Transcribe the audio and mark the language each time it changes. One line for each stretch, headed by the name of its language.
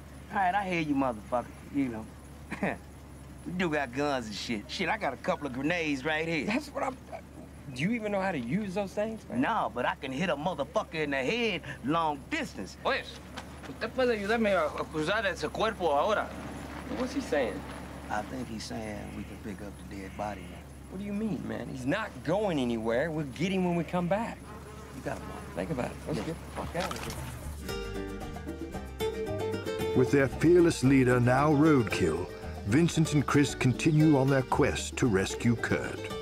English: All right, I hear you, motherfucker, you know. We do got guns and shit. Shit, I got a couple of grenades right here. That's what do you even know how to use those things, man? No, but I can hit a motherfucker in the head long distance.
Spanish: Pues, usted puede ayudarme a cruzar ese cuerpo ahora.
English: What's he saying? I think he's saying we can pick up the dead body now. What do you mean, man? He's not going anywhere. We'll get him when we come back. You got him. Think about it. Let's get the fuck out of here. With their fearless leader now roadkill, Vincent and Chris continue on their quest to rescue Kurt.